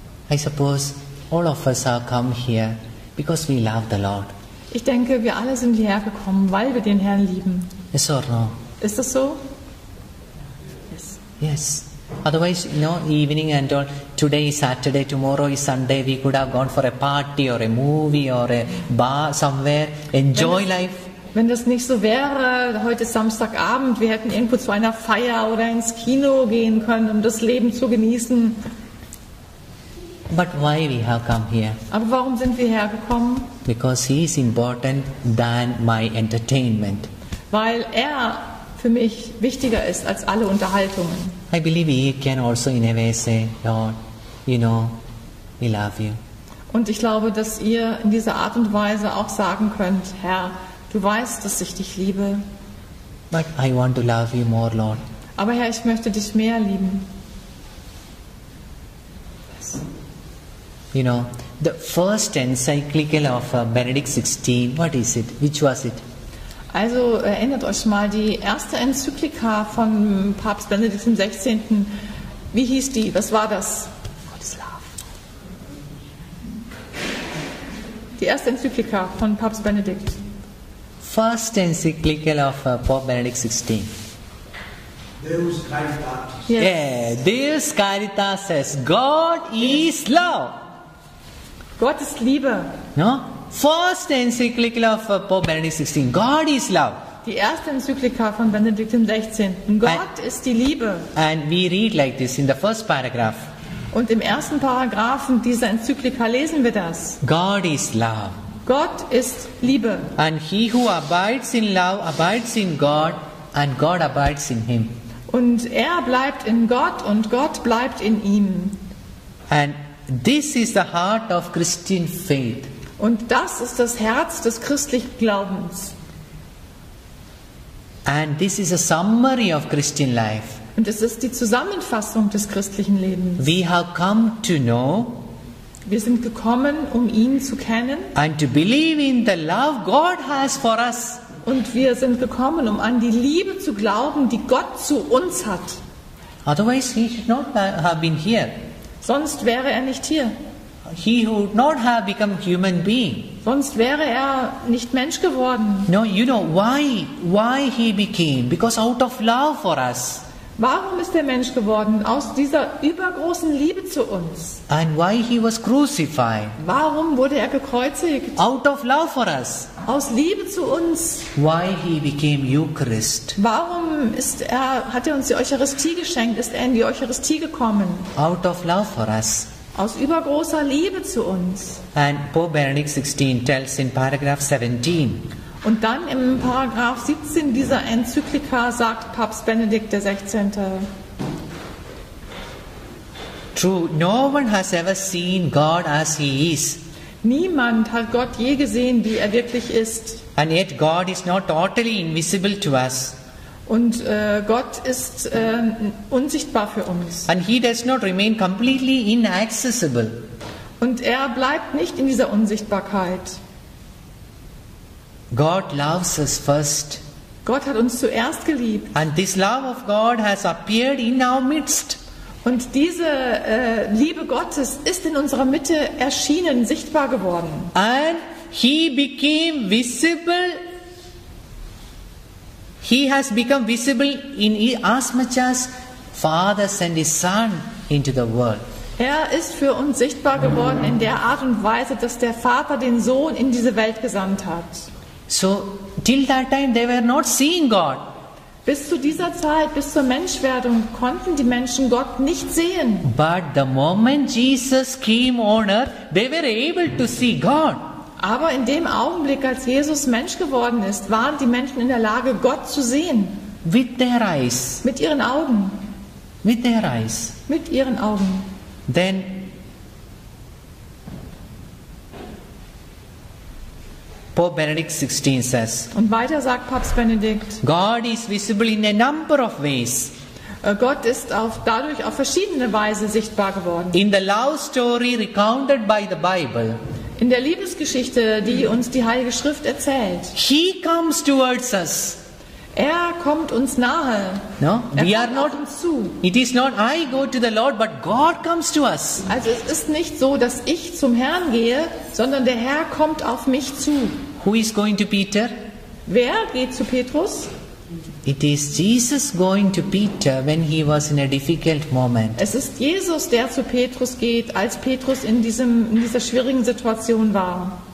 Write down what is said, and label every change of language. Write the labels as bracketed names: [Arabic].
[English] I suppose all of us have come here because we love the Lord. [German] Ich denke, wir alle sind hierher gekommen, weil wir den Herrn lieben. [English] Yes or no? [German] Ist das so? [English] Yes. Yes. Otherwise, you know, evening and all, today is Saturday, tomorrow is Sunday, we could have gone for a party or a movie or a bar somewhere, enjoy life. [German] Wenn das nicht so wäre, heute ist Samstagabend, wir hätten irgendwo zu einer Feier oder ins Kino gehen können, um das Leben zu genießen. [English] But why we have come here? [German] Aber warum sind wir hergekommen? [English] Because he is important than my entertainment. [German] Weil er für mich wichtiger ist als alle Unterhaltungen. [English] I believe he can also in a way say, Lord, you know, we love you. [German] Und ich glaube, dass ihr in dieser Art und Weise auch sagen könnt, Herr, du weißt, dass ich dich liebe. [English] But I want to love you more, Lord. [German] Aber Herr, ich möchte dich mehr lieben. [English] Yes. You know, the first encyclical of Benedict XVI, what is it? Which was it? [German] Also erinnert euch mal, die erste Enzyklika von Papst Benedikt XVI., wie hieß die, was war das? [English] God's Love. [German] Die erste Enzyklika von Papst Benedikt. [English] First Encyclical of Pope Benedict XVI. [Latin] Deus Caritas. [English] Yes. Yeah, Deus Caritas says, God is love. [German] Gott ist Liebe. [English] No? First Encyclical of Pope Benedict XVI. God is love. [German] Die erste Enzyklika von Benedikt XVI. Gott ist die Liebe. [English] And we read like this in the first paragraph. [German] Und im ersten Paragraphen dieser Enzyklika lesen wir das. [English] God is love. [German] Gott ist Liebe. [English] And he who abides in love abides in God, and God abides in him. [German] Und er bleibt in Gott und Gott bleibt in ihm. [English] And this is the heart of Christian faith. [German] Und das ist das Herz des christlichen Glaubens. [English] And this is a summary of Christian life. [German] Und es ist die Zusammenfassung des christlichen Lebens. [English] We have come to know. [German] Wir sind gekommen, um ihn zu kennen. [English] And to believe in the love God has for us. [German] Und wir sind gekommen, um an die Liebe zu glauben, die Gott zu uns hat. [English] Otherwise he should not have been here. [German] Sonst wäre er nicht hier. [English] He would not have become human being. [German] Sonst wäre er nicht Mensch geworden. [English] No, you know why he became? Because out of love for us. [German] Warum ist er Mensch geworden? Aus dieser übergroßen Liebe zu uns. [English] And why he was crucified? [German] Warum wurde er gekreuzigt? [English] Out of love for us. [German] Aus Liebe zu uns. [English] Why he became Eucharist? [German] Warum ist er, hat er uns die Eucharistie geschenkt? Ist er in die Eucharistie gekommen? [English] Out of love for us. [German] Aus übergroßer Liebe zu uns. [English] And Pope Benedict XVI tells in paragraph 17. [German] Und dann im Paragraph 17 dieser Enzyklika sagt Papst Benedikt der 16. [English] True, no one has ever seen God as he is. [German] Niemand hat Gott je gesehen, wie er wirklich ist. [English] And yet God is not totally invisible to us. [German] Und Gott ist unsichtbar für uns. [English] And he does not remain completely inaccessible. [German] Und er bleibt nicht in dieser Unsichtbarkeit. [English] God loves us first. [German] Gott hat uns zuerst geliebt. [English] And this love of God has appeared in our midst. [German] Und diese Liebe Gottes ist in unserer Mitte erschienen, sichtbar geworden. [English] And he became visible. He has become visible in as much as Father sent his Son into the world. [German] Er ist für uns sichtbar geworden in der Art und Weise, dass der Vater den Sohn in diese Welt gesandt hat. [English] So till that time they were not seeing God. [German] Bis zu dieser Zeit, bis zur Menschwerdung, konnten die Menschen Gott nicht sehen. [English] But the moment Jesus came on earth, they were able to see God. [German] Aber in dem Augenblick, als Jesus Mensch geworden ist, waren die Menschen in der Lage, Gott zu sehen. [English] With their eyes. [German] Mit ihren Augen. [English] With their eyes. [German] Mit ihren Augen. [English] Then Pope Benedict XVI says. [German] Und weiter sagt Papst Benedikt. [English] God is visible in a number of ways. [German] Gott ist dadurch auf verschiedene Weise sichtbar geworden. [English] In the love story recounted by the Bible. [German] In der Liebesgeschichte, die uns die Heilige Schrift erzählt. [English] He comes towards us. [German] Er kommt uns nahe. [English] No, we are not [German] uns zu. [English] It is not I go to the Lord, but God comes to us. [German] Also es ist nicht so, dass ich zum Herrn gehe, sondern der Herr kommt auf mich zu. [English] Who is going to Peter? [German] Wer geht zu Petrus? [English] It is Jesus going to Peter when he was in a difficult moment. [German] Es ist Jesus, der zu Petrus geht, als Petrus in dieser schwierigen Situation war.